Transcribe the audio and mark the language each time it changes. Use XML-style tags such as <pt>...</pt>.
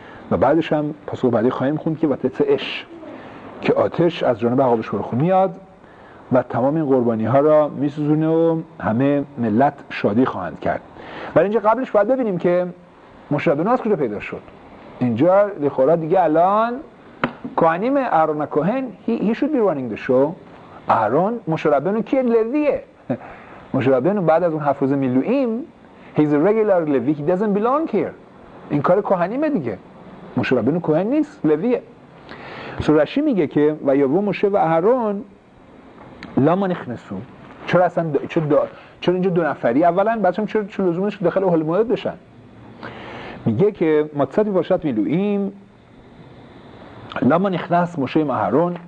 <fa>و بعدش هم پاسخ بعدی خواهیم خوند که وطت اش که آتش از جانب عقادوش مرخو میاد و تمام این قربانی ها را میسوزونه و همه ملت شادی خواهند کرد. ولی اینجا قبلش باید ببینیم که مشربنو از کجا پیدا شد. اینجا لخورا دیگه الان کوهنیم اهرون کوهن،</fa> <en>he should be running the show.</en> <fa>اهرون مشربنو کیه؟ لویه. مشربنو بعد از اون هفت روز میلوئیم،</fa> <en>he's a regular levi, he doesn't belong here.</en> <fa>این کار کوهنیمه دیگه، مشربنو کوهن نیست، لویه. سورشی میگه که و یاوو موشه و اهرون لما نخنسو، چرا اصلا چرا اینجا دو نفری؟ اولا بچه‌ها چرا لزوم نیست که داخل اهل موعد بشن؟ میگه که مدصد باشد میلوئیم لما نخنس موشه و اهرون.</fa>